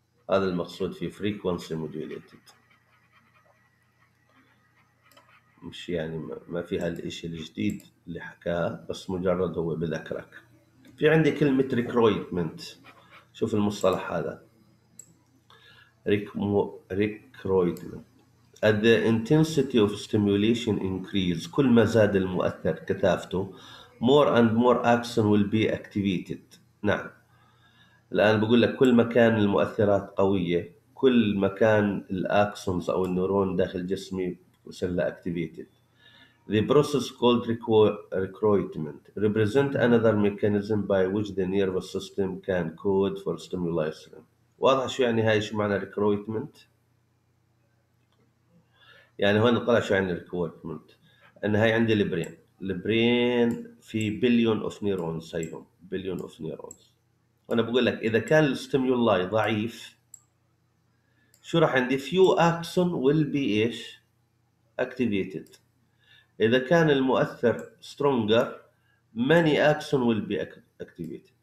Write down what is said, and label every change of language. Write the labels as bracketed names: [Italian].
[Arabic] هذا المقصود في frequency modulated، مش يعني ما فيها الاشي الجديد اللي حكاه، بس مجرد هو بذكرك. في عندي كلمة recruitment، شوف المصطلح هذا recruitment. [English] At the intensity of stimulation increase، [Arabic] كل ما زاد المؤثر كثافته [English] more and more axon will be activated. نعم، [Arabic] الآن بقول لك كل ما كان المؤثرات قوية، كل ما كان الأكسونز أو النورون داخل جسمي بصير لها اكتيفيتد. [English] The process called recruitment represent another mechanism by which the nervous system can code for stimuli. [Arabic] واضح شو يعني هاي، شو معنى recruitment؟ يعني هون طلع شو يعني recruitment، ان هاي عندي البرين، البرين في [English] billion of neurons, [Arabic] هيهم بليون اوف نيرونز، وانا بقول لك اذا كان الستيمولاي ضعيف شو راح عندي، [English] few axon will be [Arabic] ايش اكتيفيتد، اذا كان المؤثر [English] Stronger many axon will be activated.